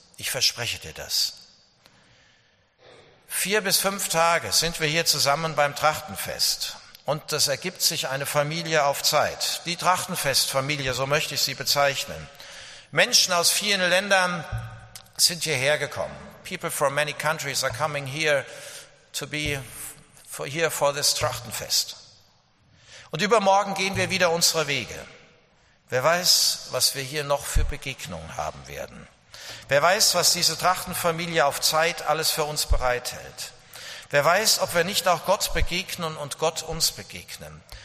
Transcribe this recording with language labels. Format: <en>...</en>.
<de>Ich verspreche dir das. 4 bis 5 Tage sind wir hier zusammen beim Trachtenfest. Und es ergibt sich eine Familie auf Zeit. Die Trachtenfestfamilie, so möchte ich sie bezeichnen. Menschen aus vielen Ländern sind hierher gekommen.</de> <en>People from many countries are coming here to be here for this Trachtenfest.</en> <de>Und übermorgen gehen wir wieder unsere Wege. Wer weiß, was wir hier noch für Begegnungen haben werden. Wer weiß, was diese Trachtenfamilie auf Zeit alles für uns bereithält. Wer weiß, ob wir nicht auch Gott begegnen und Gott uns begegnen.</de>